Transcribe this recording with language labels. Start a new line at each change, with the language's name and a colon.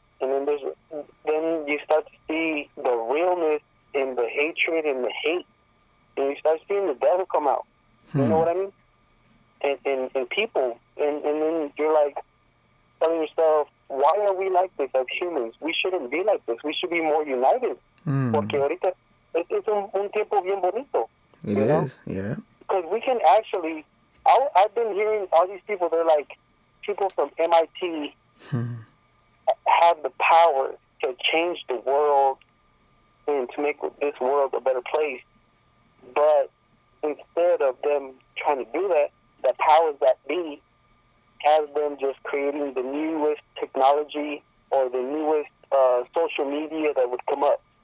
English: And then you start to see the realness in the hatred and the hate. And you start seeing the devil come out. You know what I mean? And people. And then you're like telling yourself, why are we like this as humans? We shouldn't be like this. We should be more united.
Spanish: Porque ahorita es un tiempo bien bonito.
English: It is, yeah. Because we can actually, I've been hearing all these people, they're like people from MIT, have the power to change the world and to make this world a better place. But instead of them trying to do that, the powers that be has them just creating the newest technology or the newest social media that would come up.